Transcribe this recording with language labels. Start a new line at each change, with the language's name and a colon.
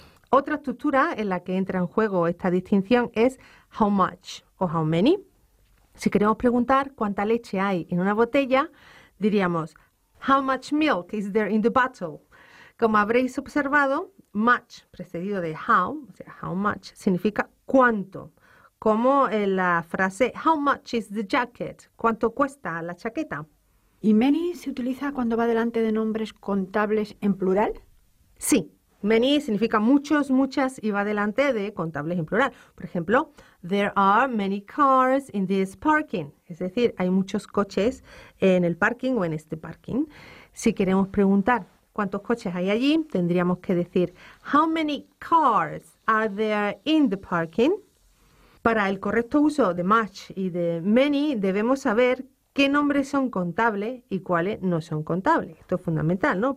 Spanish: Otra estructura en la que entra en juego esta distinción es how much o how many. Si queremos preguntar cuánta leche hay en una botella, diríamos,
English: how much milk is there in the bottle?
Spanish: Como habréis observado, much, precedido de how, o sea, how much, significa cuánto. Como en la frase,
English: how much is the jacket?
Spanish: ¿Cuánto cuesta la chaqueta? ¿Y many se utiliza cuando va delante de nombres contables en plural? Sí, many significa muchos, muchas, y va delante de contables en plural. Por ejemplo,
English: there are many cars in this parking.
Spanish: Es decir, hay muchos coches en el parking o en este parking. Si queremos preguntar cuántos coches hay allí, tendríamos que decir,
English: how many cars are there in the parking?
Spanish: Para el correcto uso de much y de many, debemos saber qué nombres son contables y cuáles no son contables. Esto es fundamental, ¿no?